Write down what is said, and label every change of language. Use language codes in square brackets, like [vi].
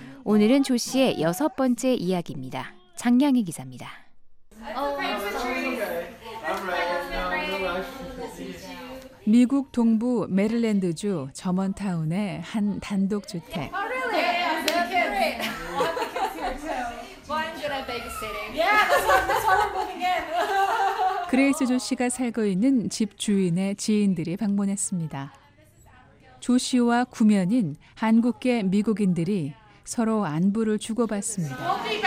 [ko] 오늘은 조 씨의 여섯 번째 이야기입니다. 장량희 기자입니다. 미국 동부 메릴랜드주 저먼타운의 한 단독주택. [en] Yeah, this one, this one I'm looking at. [ko] 그레이스 조 씨가 살고 있는 집 주인의 지인들이 방문했습니다. 조 씨와 구면인 한국계 미국인들이 서로 안부를 주고받습니다.